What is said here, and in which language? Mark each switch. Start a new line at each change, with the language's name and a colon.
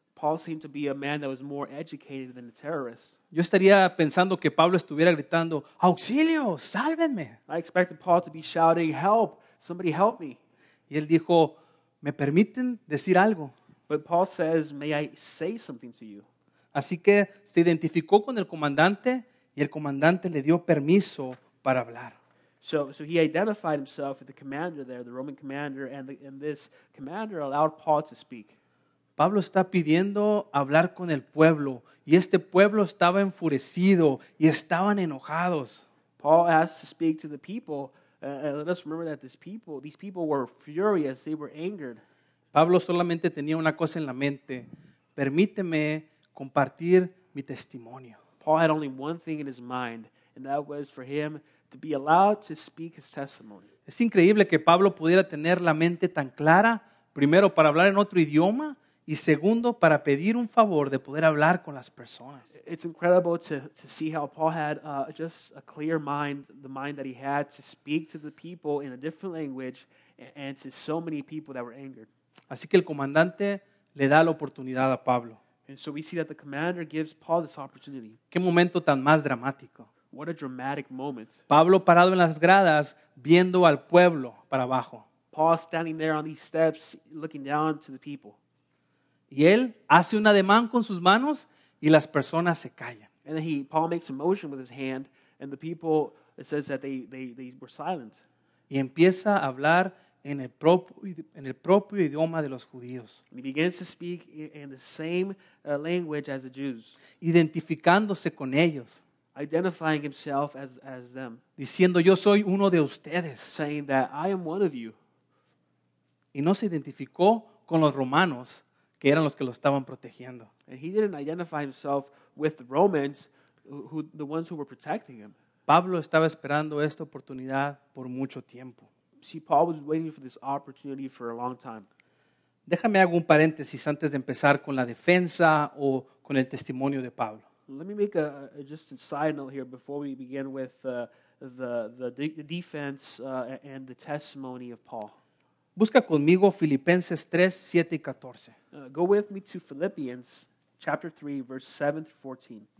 English: Paul seemed to be a man that was more educated than a terrorist.
Spanish: Yo estaría pensando que Pablo estuviera gritando, ¡Auxilio! ¡Sálvenme!
English: I expected Paul to be shouting, "Help! Somebody help me!"
Spanish: Y él dijo, ¿me permiten decir algo?
English: But Paul says, "May I say something to you?"
Spanish: Así que se identificó con el comandante y el comandante le dio permiso para hablar.
English: So he identified himself with the commander there, the Roman commander, and this commander allowed Paul to speak.
Spanish: Pablo está pidiendo hablar con el pueblo y este pueblo estaba enfurecido y estaban enojados.
English: Paul asked to speak to the people. Let us remember that these people were furious, they were angered.
Spanish: Pablo solamente tenía una cosa en la mente. Permíteme compartir mi testimonio.
English: Paul had only one thing in his mind, and that was for him to be allowed to speak his testimony.
Spanish: Es increíble que Pablo pudiera tener la mente tan clara, primero para hablar en otro idioma, y segundo para pedir un favor de poder hablar con las personas.
English: It's incredible to see how Paul had just a clear mind, the mind that he had to speak to the people in a different language and to so many people that were angered.
Spanish: Así que el comandante le da la oportunidad a Pablo.
English: And so we see that the commander gives Paul this opportunity.
Spanish: ¿Qué momento tan más dramático?
English: What a dramatic moment.
Spanish: Pablo parado en las gradas, viendo al pueblo para abajo.
English: Paul standing there on these steps, looking down to the people.
Spanish: Y él hace un ademán con sus manos y las personas se callan.
English: And then Paul makes a motion with his hand and the people, it says that they were silent.
Spanish: Y empieza a hablar en el propio idioma de los judíos.
English: He begins to speak in the same language as the Jews.
Spanish: Identificándose con ellos.
English: Identifying himself as them.
Spanish: Diciendo, yo soy uno de ustedes.
English: Saying that I am one of you.
Spanish: Y no se identificó con los romanos, que eran los que lo estaban protegiendo.
English: And he didn't identify himself with the Romans, the ones who were protecting him.
Spanish: Pablo estaba esperando esta oportunidad por mucho tiempo.
English: See, Paul was waiting for this opportunity for a long time.
Spanish: Déjame hago un paréntesis antes de empezar con la defensa o con el testimonio de Pablo.
English: Let me make a just a side note here before we begin with the defense and the testimony of Paul.
Spanish: Busca conmigo Filipenses 3, 7 y 14.
English: Go with me to Philippians chapter 3, verse 7 to 14.